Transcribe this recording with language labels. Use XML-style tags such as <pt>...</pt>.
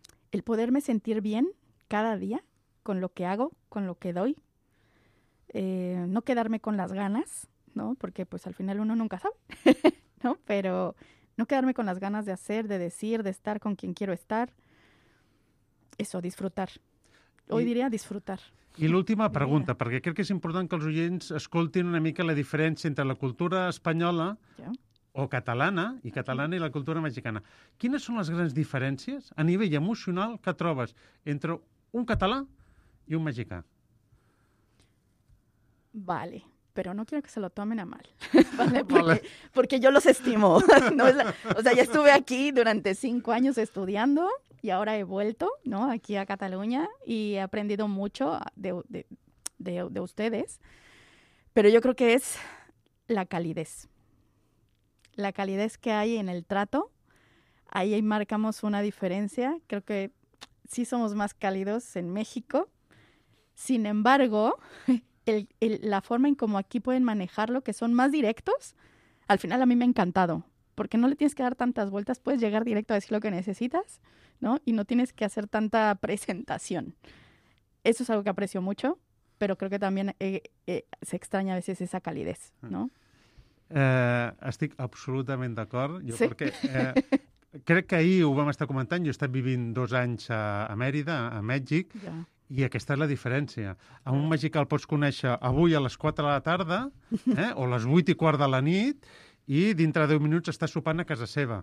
<es>El poderme sentir bien cada día con lo que hago, con lo que doy. No quedarme con las ganas, ¿no? Porque pues al final uno nunca sabe, ¿no? Pero no quedarme con las ganas de hacer, de decir, de estar con quien quiero estar. Eso, disfrutar. Hoy diria disfrutar.</es> <ca>I l'última pregunta, perquè crec que és important que els oients escoltin una mica la diferència entre la cultura espanyola o catalana, i catalana i la cultura mexicana. Quines són les grans diferències a nivell emocional que trobes entre un català i un mexicà?</ca> <es>Vale, pero no quiero que se lo tomen a mal. Vale, porque yo los estimo. No es la, o sea, ya estuve aquí durante 5 años estudiando y ahora he vuelto, ¿no? Aquí a Cataluña y he aprendido mucho de ustedes. Pero yo creo que es la calidez. La calidez que hay en el trato. Ahí marcamos una diferencia. Creo que sí somos más cálidos en México. Sin embargo, la forma en cómo aquí pueden manejarlo, que son más directos, al final a mí me ha encantado, porque no le tienes que dar tantas vueltas, puedes llegar directo a decir lo que necesitas, ¿no? Y no tienes que hacer tanta presentación. Eso es algo que aprecio mucho, pero creo que también se extraña a veces esa calidez, ¿no?</es> <ca>Estic absolutament d'acord. Jo sí. Perquè, crec que ahir ho vam estar comentant, jo he estat vivint 2 anys a Mèrida, a Mèxic, ja. I aquesta és la diferència. Amb un mexicà el pots conèixer avui a les 4 de la tarda, o a les 8:15 de la nit, i dintre de 10 minuts està sopant a casa seva.</ca>